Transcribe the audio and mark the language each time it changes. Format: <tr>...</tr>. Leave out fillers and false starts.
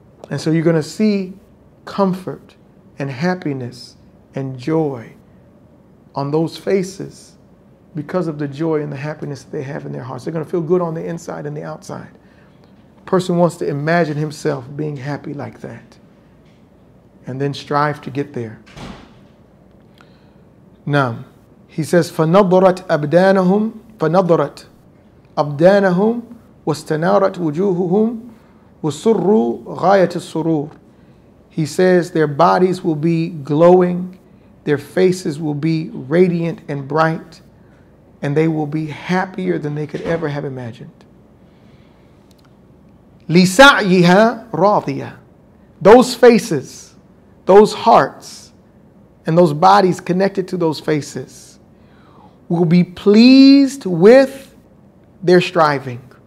<en>And so you're going to see comfort and happiness and joy on those faces because of the joy and the happiness that they have in their hearts. They're going to feel good on the inside and the outside. A person wants to imagine himself being happy like that and then strive to get there. Now, he says,</en> <ar>فَنَضَّرَتْ أَبْدَانَهُمْ فَنَضَّرَتْ أَبْدَانَهُمْ وَاسْتَنَارَتْ وُجُوهُهُمْ وَسُرُّوا غَايَةِ السُّرُورِ.</ar> <en>He says their bodies will be glowing, their faces will be radiant and bright, and they will be happier than they could ever have imagined.</en> <ar>لِسَعْيِهَا رَاضِيَةً.</ar> <en>Those faces, those hearts, and those bodies connected to those faces will be pleased with their striving.</en>